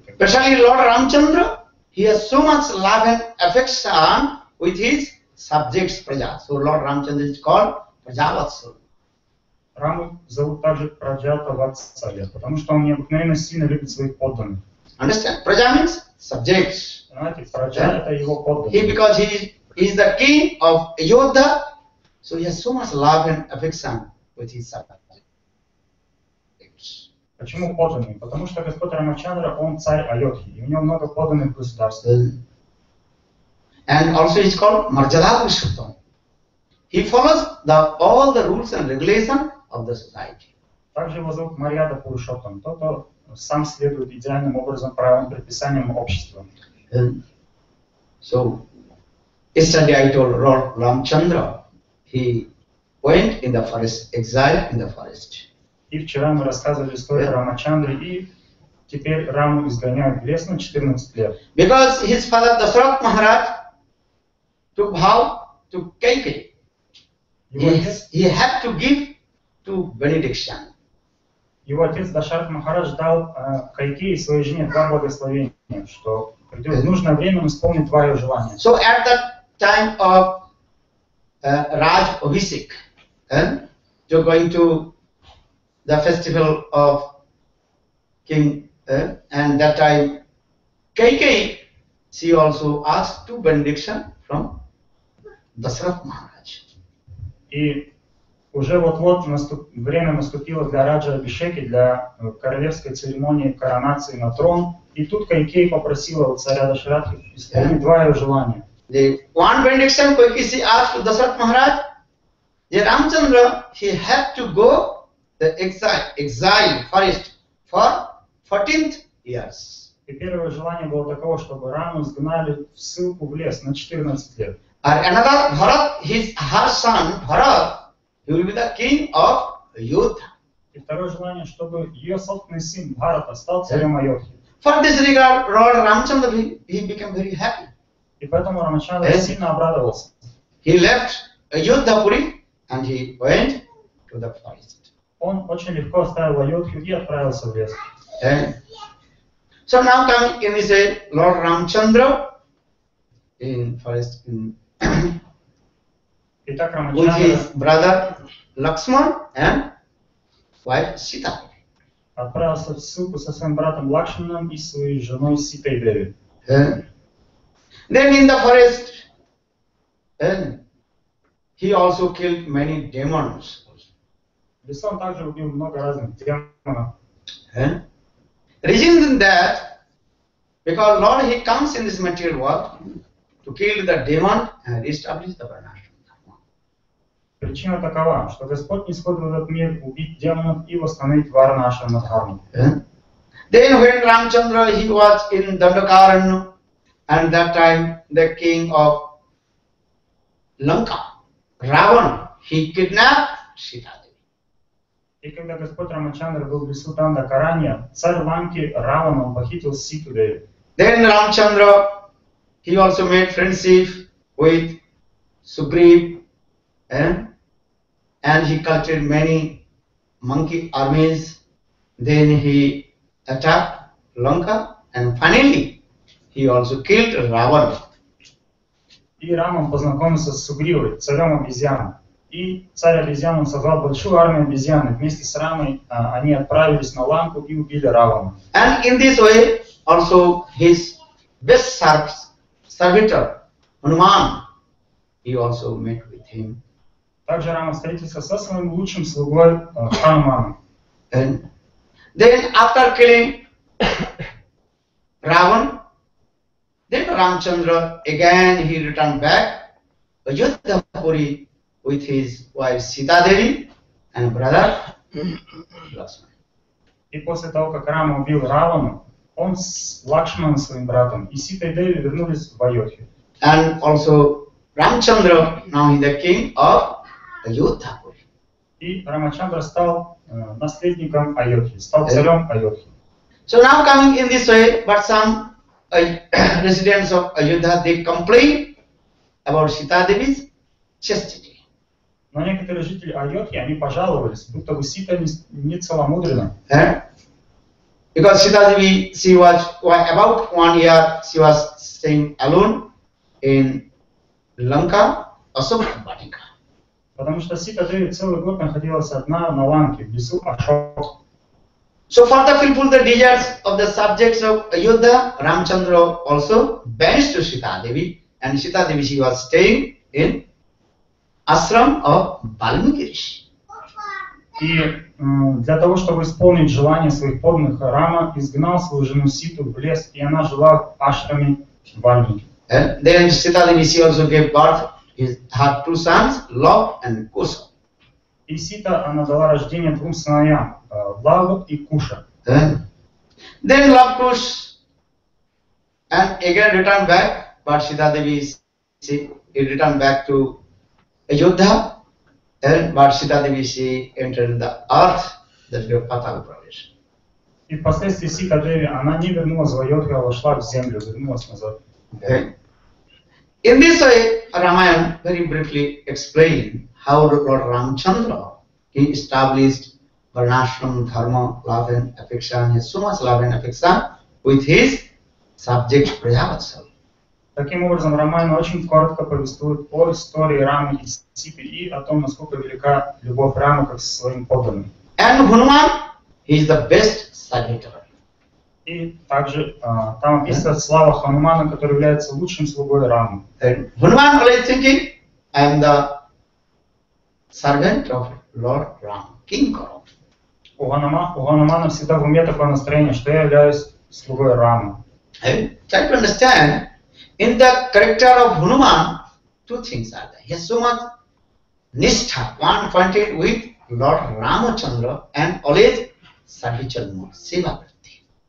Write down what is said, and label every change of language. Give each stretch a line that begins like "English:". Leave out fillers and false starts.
English: Especially Лорд Рамачандра, he has so much love and affection with his subjects, Praja. So Lord Ramachandra is called Prajavatsala.
Russian: Раму зовут также Праджата Ватсалья, потому что он необыкновенно сильно любит своих подданных.
English: Understand? Praja means subjects.
Russian: Понимаете? Праджа – это его подданные.
English: He, because he is the king of Ayodhya, so he has so much love and affection with his subjects.
Russian: Почему подданный? Потому что Господь Рамачандра, он царь Айодхи, и у него много подданных в государстве.
English: And also he is called Marjada Purushottam. He follows the all the rules and regulations of the society.
Russian: Также его зовут Марьяда Пурушоттам, тот, кто сам следует идеальным образом правилам, предписаниям общества.
English: So, yesterday I told Lord Ramachandra, he went in the forest, exile in the forest.
Russian: И вчера мы рассказывали историю Рамачандры, и теперь Раму изгоняют в лес на 14 лет.
English: Because his father Dasarath Maharaj took vow to Kaikeyi. He had to give to benediction.
Russian: Его отец Дашарат Махарадж дал Кайкеи своей жене два благословения, что придет нужное время он исполнит твое желание.
English: So at that time of Raj Abhishek, to going to the festival of King, and that time Kaikeyi, she also asked two benediction from Dasarath Maharaj.
Russian: И уже вот-вот время наступило для Раджа Абишеки, для королевской церемонии коронации на трон. И тут Кайкей попросила у царя Дашарадхи исполнить два его желания.
English: The one benediction Kaikeyi asked Dasarath Maharaj, the Ramchandra, he had to go the exile forest for 14 years.
Russian: И первое желание было такого, чтобы Раму сгнали в ссылку в лес на 14 лет.
English: And another, Bharat, her son, Bharat, he will be the king of Ayodhya.
Russian: И второе желание, чтобы ее собственный сын Бхарата стал царем Айодхи.
English: For this regard, Lord Ramchandra, he became very happy.
Russian: И поэтому Рамачандра сильно обрадовался.
English: He left Ayodhyapuri and he went to the forest.
Russian: Он очень легко оставил Айодхи и отправился в лес.
English: So now come, can we say, Lord Ramchandra in forest in
Russian: Итак,
English: with his brother Lakshman and wife Sita.
Russian: Отправился в ссылку со своим братом Лакшманом и своей женой Ситой Деви.
English: Then in the forest, he also killed many demons.
Russian: Лесом также убил много разных демонов.
English: Reason that, because Lord he comes in this material world to kill the demon and establish the varnashram dharma.
Russian: Причина такова, что Господь нисходит в этот мир убить демонов и восстановить варнашрама дхарму.
English: Then when Ramchandra he was in Dandakaranya, and that time the king of Lanka, Ravan, he kidnapped Sita.
Russian: И когда Господь Рамачандра был в лесу Дандакаранья, царь Ланки Равана похитил Ситу Деви.
English: Then Ramchandra, he also made friendship with Sugriv, and he collected many monkey armies. Then he attacked Lanka, and finally he also killed Ravana.
Russian: И Раман познакомился с Сугривой, царем обезьян. И царь обезьян собрал большую армию обезьян. Вместе с Рамой они отправились на Ланку и убили Равана.
English: And in this way, also his best servitor Hanuman, he also met with him.
Russian: Также Рама встретился со своим лучшим слугой Хануманом.
English: And then after killing Ravana, then Ramchandra again he returned back to Ayodhyapuri with his wife Sita Devi and brother Lakshman.
Russian: И после того, как Рама убил Равану, он с Лакшманом своим братом и Ситой Деви вернулись в Айодхи.
English: And also Ramchandra now is the king of Ayodhyapuri.
Russian: И Рамачандра стал наследником Айодхи, стал царем Айодхи.
English: So now coming in this way, but some residents of Ayodhya they complain about Sita Devi's chastity.
Russian: Но некоторые жители Айодхи, они пожаловались, будто бы Сита не целомудрена.
English: Because Sita Devi, she was about 1 year, she was staying alone in Lanka, Ashoka Vatika.
Russian: Потому что Сита Деви целый год находилась одна на Ланке, в лесу Ашока.
English: So for the fulfill the desires of the subjects of Ayodhya, Ramchandra also banished to Sita Devi, and Sita Devi, she was staying in Ashram of Valmikirishi.
Russian: И для того, чтобы исполнить желание своих подданных, Рама изгнал свою жену Ситу в лес, и она жила в ашраме Вальмики.
English: And then Sita Devi, she also gave birth her two sons, Lava and Kusha.
Russian: И Сита, она дала рождение двум сыновьям, Лаву и Куша.
English: Then Lava Kusha, and again returned back, but Sita Devi, she returned back to Ayodhya, but Sita Devi, she entered the earth, that was Patala Pradesh.
Russian: И впоследствии Сита Деви, она не вернулась в Айодхью, а вошла в землю, вернулась назад.
English: In this way, Рамаяна very briefly explained how Lord Ramchandra, he established Varnashram Dharma, love and affection, his so much love and affection with his subject Prajavatsala.
Russian: Таким образом, Рамаяна очень коротко повествует о истории Рамы и Сити и о том, насколько велика любовь Рамы как со своим подданным.
English: And Hanuman, he is the best servitor.
Russian: И также там описывается слава Ханумана, который является лучшим слугой Рамы.
English: Hanuman, I am the servant of Lord Ram, King Karan.
Russian: Оганаман навсегда в уме такое настроение, что я являюсь слугой Рама.
English: Try to understand, in the character of Hanuman, two things are there. He has so much nishtha, one pointed with Lord Ramachandra and always servicial mode, seva vritti.